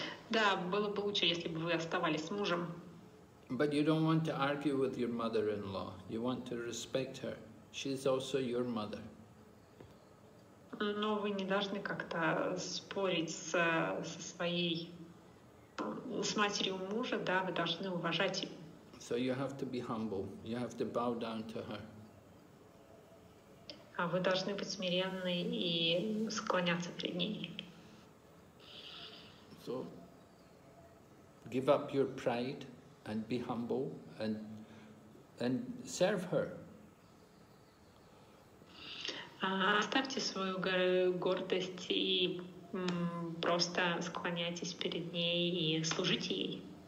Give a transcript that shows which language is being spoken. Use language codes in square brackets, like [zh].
[ru] Да, было бы лучше, если бы вы оставались с мужем. [en] But you don't want to argue with your mother-in-law. You want to respect her. She's also your mother. [ru] Но вы не должны как-то спорить со своей, с матерью мужа, да, вы должны уважать ее. [en] So you have to be humble. You have to bow down to her. [ru] А вы должны быть смиренны и склоняться перед ней. [en] So give up your pride and be humble and serve her. [ru] Оставьте свою гордость и просто склоняйтесь перед ней и служите ей.